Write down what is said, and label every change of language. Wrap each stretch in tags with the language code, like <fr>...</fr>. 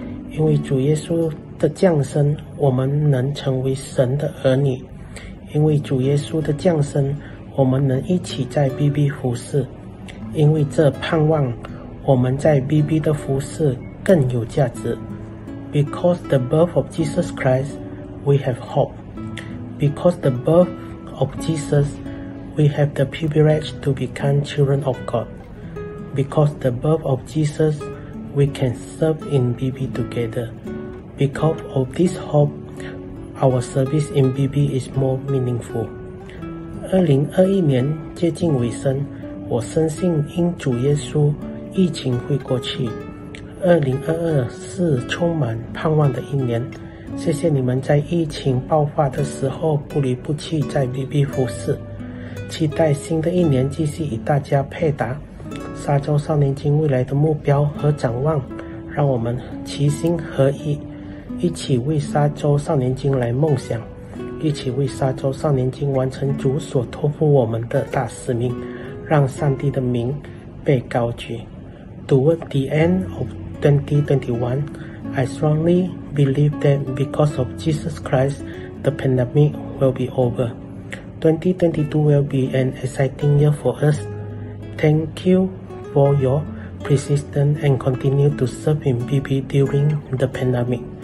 <zh>因为主耶稣的降生，我们能成为神的儿女。因为主耶稣的降生，我们能一起在 BB 服事。因为这盼望，我们在 BB 的服事更有价值。</zh> <en>Because the birth of Jesus Christ, we have hope. Because the birth of Jesus, we have the privilege to become children of God. Because the birth of Jesus, we can serve in BB together. Because of this hope,Our service in BB is more meaningful.</en> <zh>2021年接近尾声，我深信因主耶稣，疫情会过去。 2022是充满盼望的一年。谢谢你们在疫情爆发的时候不离不弃在 BB 服事。期待新的一年继续与大家配搭。沙洲少年金未来的目标和展望，让我们齐心合意。一起为沙洲少年金来梦想，一起为沙洲少年金完成主所托付我们的大使命，让上帝的名被高举。</zh> <en>Toward the end of 2021, I strongly believe that because of Jesus Christ, the pandemic will be over. 2022 will be an exciting year for us. Thank you for your persistence and continue to serve in BB during the pandemic.</en>